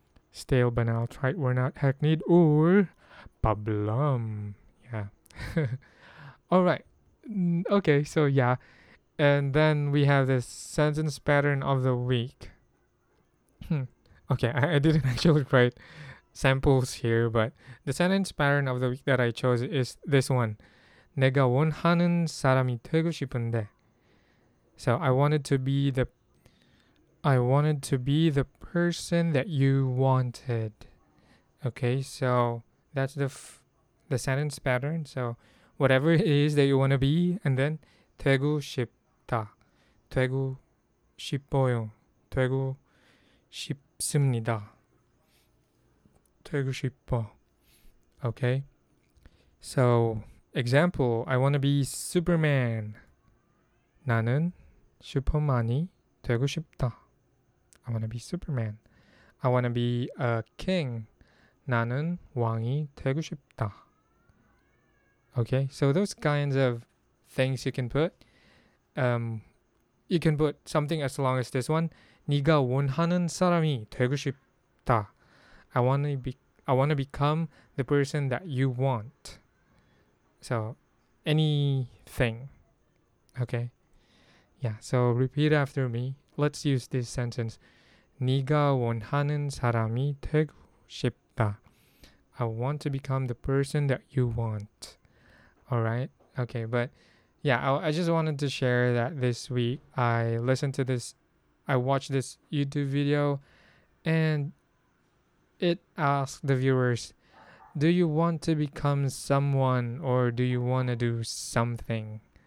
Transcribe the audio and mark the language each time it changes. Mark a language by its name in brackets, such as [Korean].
[English] Stale, banal, trite, worn out, hackneyed, or problem. Yeah. All right. Okay, so yeah. And then we have this sentence pattern of the week. Okay, I didn't actually write samples here, but the sentence pattern of the week that I chose is this one. [Korean] 내가 원하는 사람이 되고 싶은데. [English] So I wanted to be the person that you wanted. Okay, so that's the sentence pattern. So whatever it is that you want to be, and then [Korean] 되고 싶다. 되고 싶어요. 되고 싶습니다. 되고 싶어. Okay. [English] So example, I want to be Superman. [Korean] 나는 슈퍼맨이 되고 싶다. [English] I want to be Superman. I want to be a king. [Korean] 나는 왕이 되고 싶다. [English] Okay, so those kinds of things you can put something as long as this one. [Korean] 네가 원하는 사람이 되고 싶다. [English] I want to become the person that you want. So, anything. Okay. Yeah, so repeat after me. Let's use this sentence. [Korean] 네가 원하는 사람이 되고 싶다. [English] I want to become the person that you want. Alright? Okay, but yeah, I just wanted to share that this week I listened to this, I watched this YouTube video, and it asked the viewers, do you want to become someone or do you want to do something?